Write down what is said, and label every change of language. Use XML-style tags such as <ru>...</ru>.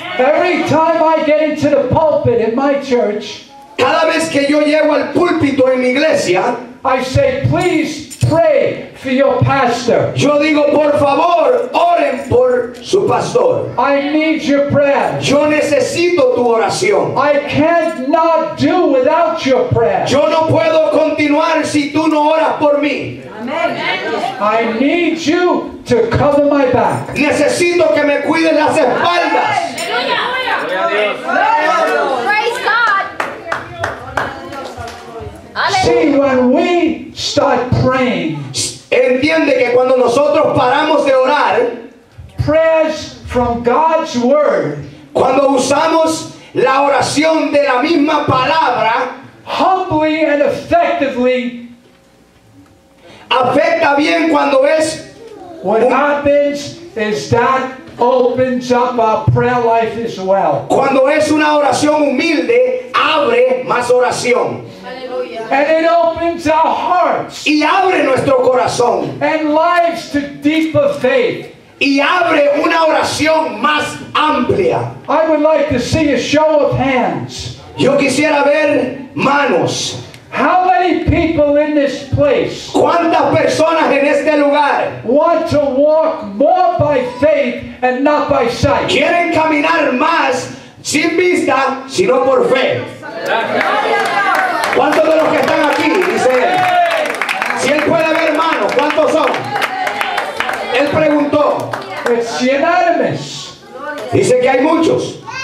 <en>Every time I get into the pulpit in my church,</en> <es>cada vez que yo llego al púlpito en mi iglesia,</es> <en>I say, please pray for your pastor.</en> <es>Yo digo, por favor, oren por su pastor.</es> <en>I need your prayer.</en> <es>Yo necesito tu oración.</es> <en>I can't not do without your prayer.</en> <es>Yo no puedo continuar si tú no oras por mí.</es> <en>I need you to cover my back.</en> <es>Necesito que me cuides las espaldas.</es> <en>Praise God. See, when we start praying,</en> <es>entiende que cuando nosotros paramos de orar,</es> <en>prayers from God's word,</en> <es>cuando usamos la oración de la misma palabra,</es> <en>humbly and effectively,</en> <es>afecta bien cuando es</es> <en>what happens is that opens up our prayer life as well.</en> <es>Cuando es una oración humilde, abre más oración.</es> <en>And it opens our hearts.</en> <es>Y abre nuestro corazón.</es> <en>And lives to deeper faith.</en> <es>Y abre una oración más amplia.</es> <en>I would like to see a show of hands.</en> <es>Yo quisiera ver manos.</es> <en>How many people in this place?</en> <es>¿Cuántas personas en este lugar?</es> <en>Want to walk more by faith and not by sight.</en> <es>Quieren caminar más sin vista, sino por fe. ¿Cuántos de los que están aquí? Dice él. Si él puede ver manos, ¿cuántos son? Él preguntó.</es> <en>It's unanimous.</en> <es>Dice que hay muchos.</es>